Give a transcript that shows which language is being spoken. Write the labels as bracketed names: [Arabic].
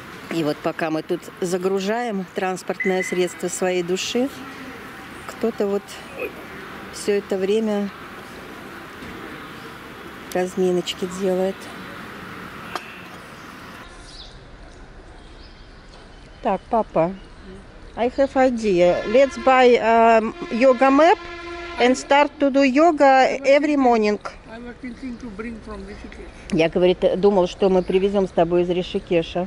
[Russian] И вот пока мы тут загружаем транспортное средство своей души, кто-то вот все это время разминочки делает. Так, папа, [English] I have idea. Let's buy a yoga map and start to do yoga every morning. I was thinking to bring from Rishikesh. [Russian] Я, говорит, думал, что мы привезем с тобой из Ришикеша.